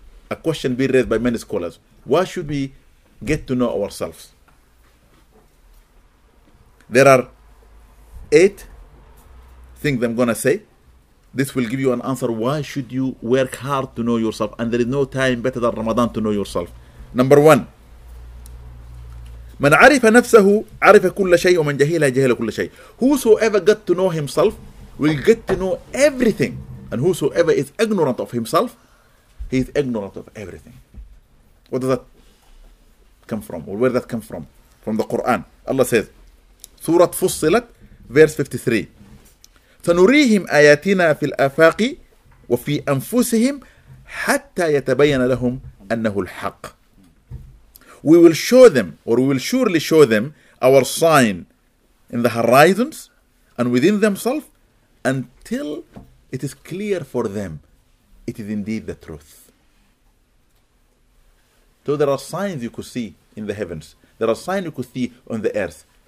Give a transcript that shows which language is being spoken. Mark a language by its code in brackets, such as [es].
[en] A question being raised by many scholars. Why should we get to know ourselves? There are 8 things I'm going to say. This will give you an answer. Why should you work hard to know yourself? And there is no time better than Ramadan to know yourself. Number 1. [ar] من عرف نفسه عرف كل شيء ومن جهل جهل كل شيء. [en] Whosoever got to know himself will get to know everything. And whosoever is ignorant of himself, he is ignorant of everything. What does that come from? Or where does that come from? From the Quran. Allah says, Surah Fussilat, verse 53. [ar] سنريهم آياتنا في الآفاق وفي أنفسهم حتى يتبين لهم أنه الحق. [en] We will show them, or we will surely show them, our sign in the horizons and within themselves until it is clear for them it is indeed the truth. So there are signs you could see in the heavens. There are signs you could see on the earth.